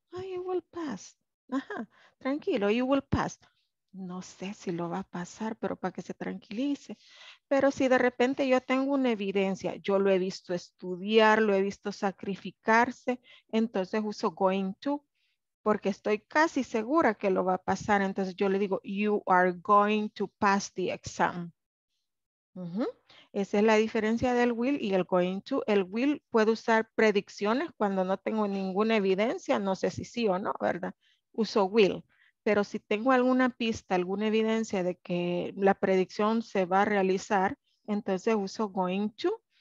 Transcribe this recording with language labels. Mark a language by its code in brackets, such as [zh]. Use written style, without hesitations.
[en] Ah, oh, you will pass. [es] Ajá, tranquilo, [en] you will pass. [es] No sé si lo va a pasar, pero para que se tranquilice. Pero si de repente yo tengo una evidencia, yo lo he visto estudiar, lo he visto sacrificarse, entonces uso going to, porque estoy casi segura que lo va a pasar. Entonces yo le digo, [en] you are going to pass the exam. [es] Esa es la diferencia del will y el going to. El will puede usar predicciones cuando no tengo ninguna evidencia, no sé si sí o no, ¿verdad? Uso will. Pero si tengo alguna pista, alguna evidencia de que la predicción se va a realizar, entonces uso going to.